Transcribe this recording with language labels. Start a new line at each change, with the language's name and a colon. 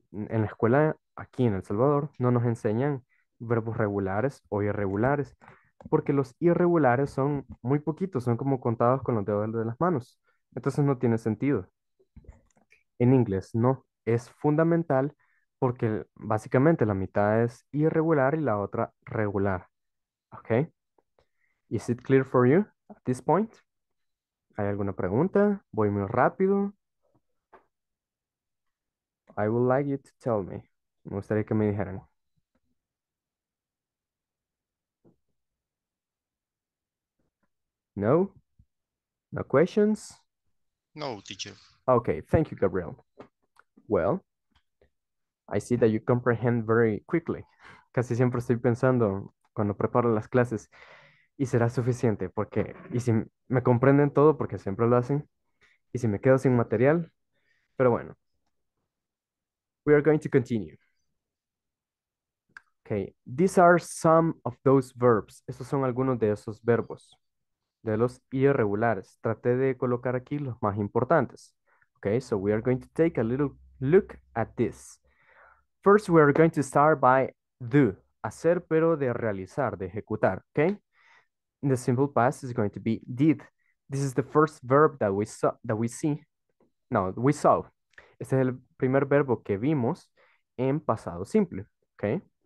Spanish: En la escuela, aquí en El Salvador, no nos enseñan verbos regulares o irregulares, porque los irregulares son muy poquitos, son como contados con los dedos de las manos. Entonces no tiene sentido. En inglés, no. Es fundamental porque básicamente la mitad es irregular y la otra regular. ¿Ok?
English: Is it clear for you at this point?
Spanish: ¿Hay alguna pregunta? Voy muy rápido.
English: I would like you to tell me.
Spanish: Me gustaría que me dijeran.
English: No? No questions? No, teacher. Okay, thank you, Gabriel. Well, I see that you comprehend very quickly.
Spanish: Casi siempre estoy pensando cuando preparo las clases. Y será suficiente porque, y si me comprenden todo porque siempre lo hacen. Y si me quedo sin material, pero bueno.
English: We are going to continue. Okay, these are some of those verbs.
Spanish: Estos son algunos de esos verbos, de los irregulares. Traté de colocar aquí los más importantes.
English: Okay, so we are going to take a little look at this. First, we are going to start by do, hacer,
Spanish: pero de realizar, de ejecutar.
English: Okay, in the simple past is going to be did. This is the first verb that we saw, that we saw.
Spanish: Este es el primer verbo que vimos en pasado simple, okay?